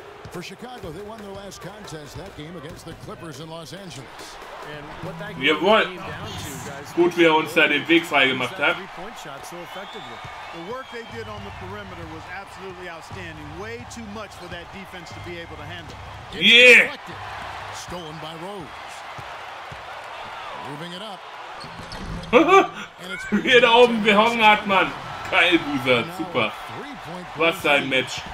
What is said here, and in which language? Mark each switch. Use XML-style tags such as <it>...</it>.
<en>For Chicago, they won their last contest that game against the Clippers in Los Angeles.</en> <de>Jawohl. Gut, wie er uns da den Weg frei gemacht hat.</de> <en>The work they did on the perimeter was absolutely outstanding. Way too much for that defense to be able to handle. Yeah. Stolen by Rose. Moving it up.</en> <de>Wie er da oben gehangen hat, Mann. Geil, Buser. Super. Was ein Match.</de>